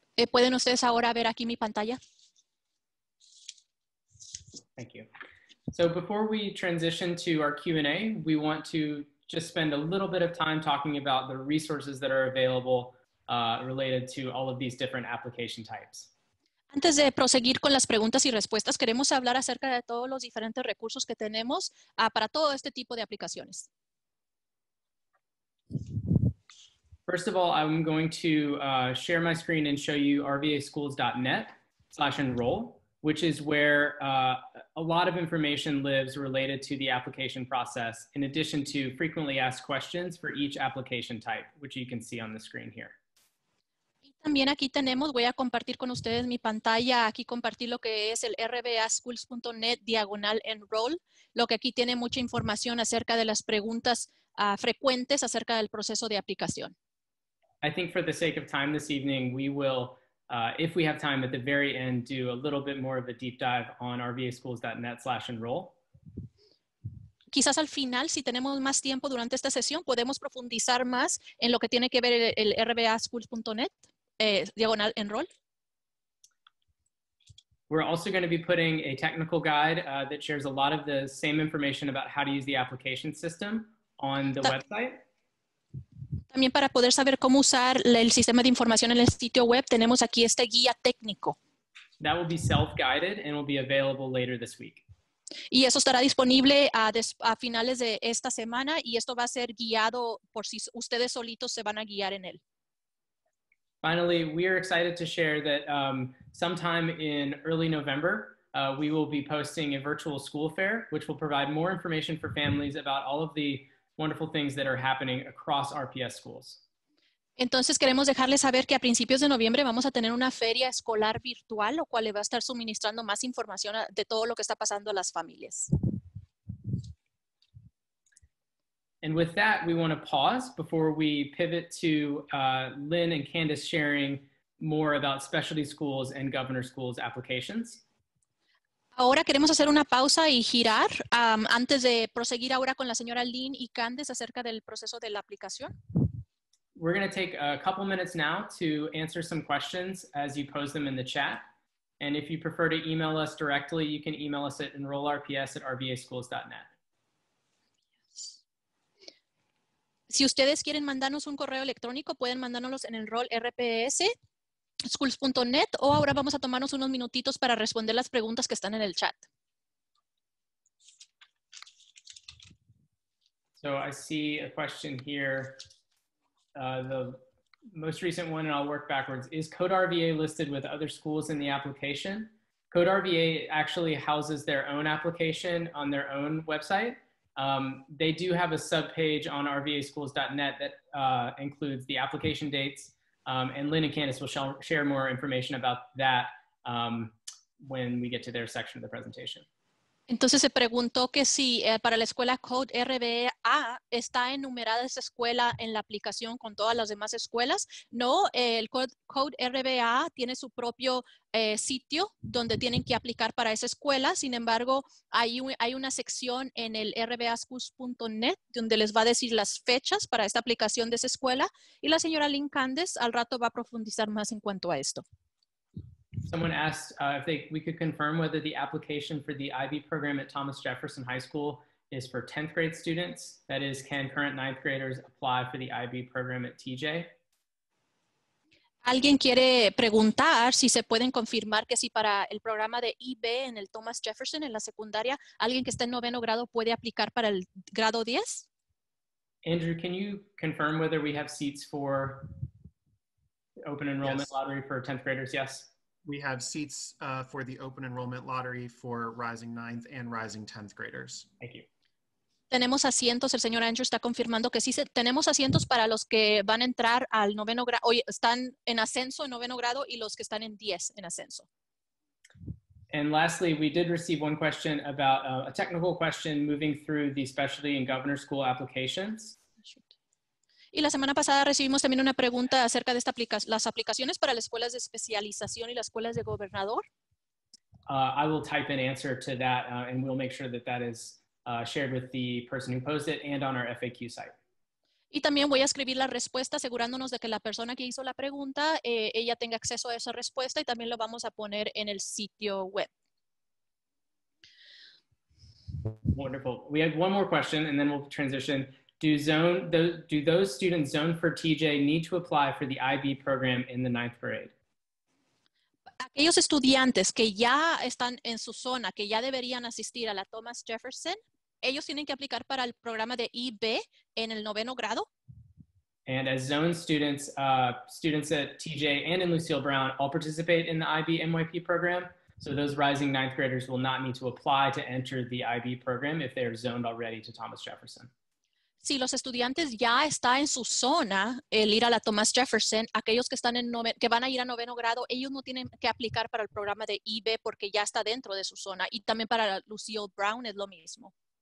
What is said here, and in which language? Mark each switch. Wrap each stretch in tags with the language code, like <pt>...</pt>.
<es>¿Pueden ustedes ahora ver aquí mi pantalla?</es> <en>Thank you. So before we transition to our Q&A, we want to just spend a little bit of time talking about the resources that are available related to all of these different application types.</en> <es>Antes de proseguir con las preguntas y respuestas, queremos hablar acerca de todos los diferentes recursos que tenemos para todo este tipo de aplicaciones.</es> <en>First of all, I'm going to share my screen and show you rvaschools.net/enroll, which is where a lot of information lives related to the application process, in addition to frequently asked questions for each application type, which you can see on the screen here.</en> <es>También aquí tenemos, voy a compartir con ustedes mi pantalla, aquí compartir lo que es el rvaschools.net/enroll, lo que aquí tiene mucha información acerca de las preguntas frecuentes acerca del proceso de aplicación.</es> <en>I think for the sake of time this evening, we will, if we have time at the very end, do a little bit more of a deep dive on rvaschools.net/enroll.</en> <es>Quizás al final, si tenemos más tiempo durante esta sesión, podemos profundizar más en lo que tiene que ver el rvaschools.net. /enroll.</es> <en>We're also going to be putting a technical guide that shares a lot of the same information about how to use the application system on the website.</en> <es>También para poder saber cómo usar el sistema de información en el sitio web, tenemos aquí este guía técnico.</es> <en>That will be self-guided and will be available later this week.</en> <es>Y eso estará disponible a finales de esta semana y esto va a ser guiado por si ustedes solitos se van a guiar en él.</es> <en>Finally, we are excited to share that sometime in early November, we will be posting a virtual school fair, which will provide more information for families about all of the wonderful things that are happening across RPS schools.</en> <es>Entonces queremos dejarles saber que a principios de noviembre vamos a tener una feria escolar virtual, lo cual le va a estar suministrando más información de todo lo que está pasando a las familias.</es> <en>And with that, we want to pause before we pivot to Lynn and Candace sharing more about specialty schools and governor schools applications.</en> <es>Ahora queremos hacer una pausa y girar antes de proseguir ahora con la señora Lynn y Candace acerca del proceso de la aplicación.</es> <en>We're going to take a couple minutes now to answer some questions as you pose them in the chat. And if you prefer to email us directly, you can email us at enrollrps@rvaschools.net.</en> <es>Si ustedes quieren mandarnos un correo electrónico, pueden mandárnoslos en enrollrps@schools.net o ahora vamos a tomarnos unos minutitos para responder las preguntas que están en el chat.</es> <en>So I see a question here. The most recent one, and I'll work backwards. Is Code RVA listed with other schools in the application? Code RVA actually houses their own application on their own website. They do have a subpage on rvaschools.net that includes the application dates, and Lynn and Candace will share more information about that when we get to their section of the presentation.</en> <es>Entonces se preguntó que si para la escuela Code RVA está enumerada esa escuela en la aplicación con todas las demás escuelas. No, el Code RVA tiene su propio sitio donde tienen que aplicar para esa escuela. Sin embargo, hay una sección en el rvaschools.net donde les va a decir las fechas para esta aplicación de esa escuela. Y la señora Lynn Candes al rato va a profundizar más en cuanto a esto.</es> <en>Someone asked if we could confirm whether the application for the IB program at Thomas Jefferson High School is for 10th grade students. That is, can current 9th graders apply for the IB program at TJ?</en> <es>Alguien quiere preguntar si se pueden confirmar que si para el programa de IB en el Thomas Jefferson en la secundaria, alguien que esté en noveno grado puede aplicar para el grado 10?</es> <en>Andrew, can you confirm whether we have seats for open enrollment yes. lottery for 10th graders? Yes. We have seats for the open enrollment lottery for rising 9th and rising 10th graders. Thank you.</en> <es>Tenemos asientos, el señor Andrew está confirmando que sí, tenemos asientos para los que van a entrar al noveno grado, hoy están en ascenso en noveno grado y los que están en 10 en ascenso.</es> <en>And lastly, we did receive one question about a technical question moving through the specialty and governor school applications.</en> <es>Y la semana pasada recibimos también una pregunta acerca de las aplicaciones para las escuelas de especialización y las escuelas de gobernador.</es> <en>I will type an answer to that and we'll make sure that that is shared with the person who posed it and on our FAQ site.</en> <es>Y también voy a escribir la respuesta asegurándonos de que la persona que hizo la pregunta, ella tenga acceso a esa respuesta y también lo vamos a poner en el sitio web.</es> <en>Wonderful. We have one more question and then we'll transition. Do those students zoned for TJ need to apply for the IB program in the ninth grade?</en> <es>Aquellos estudiantes que ya están en su zona, que ya deberían asistir a la Thomas Jefferson, ellos tienen que aplicar para el programa de IB en el noveno grado.</es> <en>And as zoned students, students at TJ and in Lucille Brown all participate in the IB MYP program. So those rising ninth graders will not need to apply to enter the IB program if they are zoned already to Thomas Jefferson.</en> <es>Si los estudiantes ya están en su zona, el ir a la Thomas Jefferson, aquellos que están en que van a ir a noveno grado, ellos no tienen que aplicar para el programa de IB porque ya está dentro de su zona. Y también para Lucille Brown es lo mismo.</es>